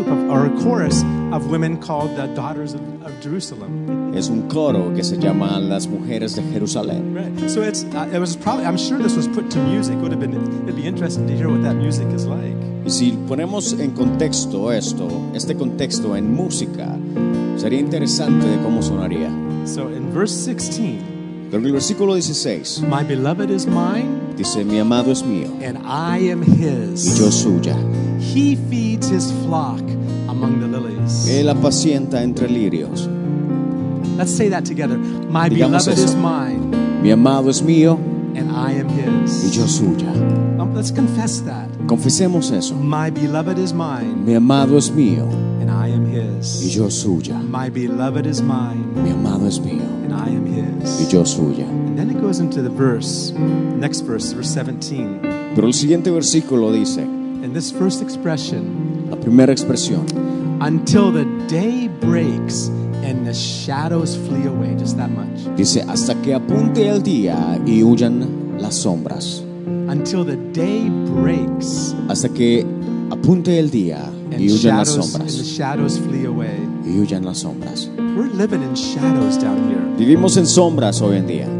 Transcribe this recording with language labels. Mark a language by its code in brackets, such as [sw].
[en] it's a chorus of women called the daughters of Jerusalem. [es] Es un coro que se llama las mujeres de Jerusalén. [en] Right. So I'm sure this was put to music. It'd be interesting to hear what that music is like. [es] Y si ponemos en contexto esto, este contexto en música, sería interesante de cómo sonaría. [en] So in verse 16, [es] pero en el versículo 16, [en] my beloved is mine, [es] dice, mi amado es mío, [en] and I am his, [es] y yo suya. [en] He feeds his flock among the lilies. [es] Él apacienta entre lirios. [en] Let's say that together. My [es] Digamos [en] beloved [es] eso. [en] Is mine, [es] mi amado es mío, [en] and I am his, [es] y yo suya. [en] Let's confess that. [es] Confesemos eso. [en] My beloved is mine. [es] Mi amado es mío. [en] And I am his. [es] Y yo suya. [en] My beloved is mine. [es] Mi amado es mío. [en] And I am his. [es] Y yo suya. [en] And then it goes into the verse. Next verse, verse 17. [es] Pero el siguiente versículo dice. [en] And this first expression. [es] La primera expresión. [en] Until the day breaks and the shadows flee away. Just that much. [es] Dice, hasta que apunte el día y huyan las sombras. [en] Until the day breaks, [es] hasta que apunte el día y huyan las sombras. [en] And the shadows flee away. [es] Y huyan las sombras. [en] We're living in shadows down here. [es] Vivimos en sombras hoy en día.